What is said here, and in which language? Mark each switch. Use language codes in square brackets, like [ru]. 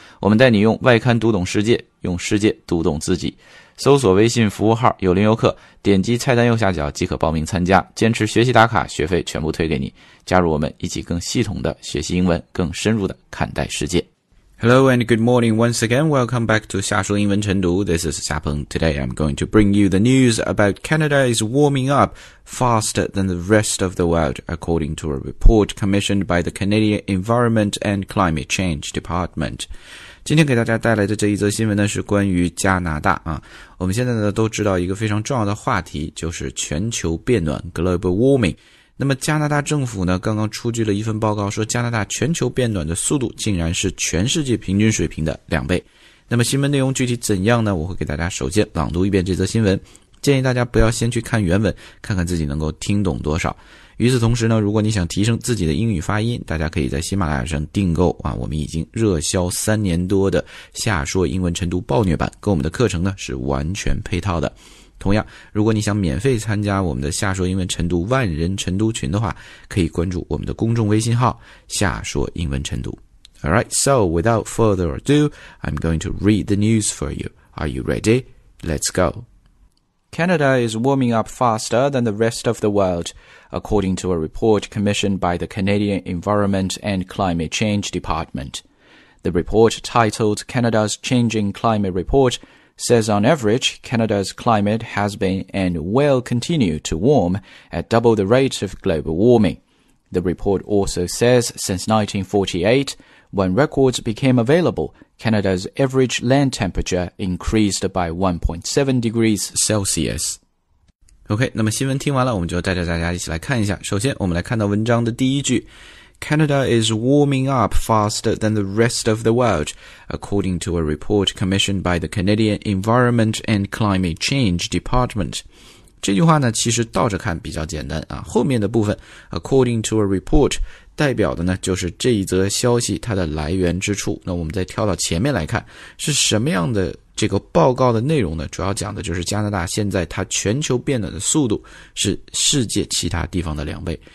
[zh] 我们带你用外刊读懂世界，用世界读懂自己。搜索微信服务号有林游客，点击菜单右下角即可报名参加，坚持学习打卡，学费全部退给你。加入我们，一起更系统的学习英文，更深入的看待世界。 [en] Hello and good morning once again. Welcome back to 夏说英文晨读.This is 夏鹏. Today I'm going to bring you the news about Canada is warming up faster than the rest of the world, according to a report commissioned by the Canadian Environment and Climate Change Department. [zh] 今天给大家带来的这一则新闻呢，是关于加拿大啊。我们现在呢都知道一个非常重要的话题，就是全球变暖 , [en] global warming。 [zh] 那么加拿大政府呢刚刚出具了一份报告，说加拿大全球变暖的速度竟然是全世界平均水平的两倍。那么新闻内容具体怎样呢，我会给大家首先朗读一遍这则新闻，建议大家不要先去看原文，看看自己能够听懂多少。与此同时呢，如果你想提升自己的英语发音，大家可以在喜马拉雅上订购啊，我们已经热销三年多的夏说英文晨读暴虐版，跟我们的课程呢是完全配套的。同样，如果你想免费参加我们的夏说英文晨读万人晨读群的话，可以关注我们的公众微信号夏说英文晨读。 [en] Alright, so without further ado, I'm going to read the news for you. Are you ready? Let's go. Canada is warming up faster than the rest of the world, according to a report commissioned by the Canadian Environment and Climate Change Department. The report titled Canada's Changing Climate Report,says on average, Canada's climate has been and will continue to warm at double the rate of global warming. The report also says since 1948, when records became available, Canada's average land temperature increased by 1.7 degrees Celsius. [zh] OK, 那么新闻听完了，我们就带着大家一起来看一下。首先，我们来看到文章的第一句。 [en] Canada is warming up faster than the rest of the world, according to a report commissioned by the Canadian Environment and Climate Change Department. [zh] 这句话呢，其实倒着看比较简单啊。后面的部分 [en] according to a report [zh] 代表的呢，就是这一则消息它的来源之处。那我们再跳到前面来看，是什么样的这个报告的内容呢？主要讲的就是加拿大现在它全球变暖的速度是世界其他地方的两倍。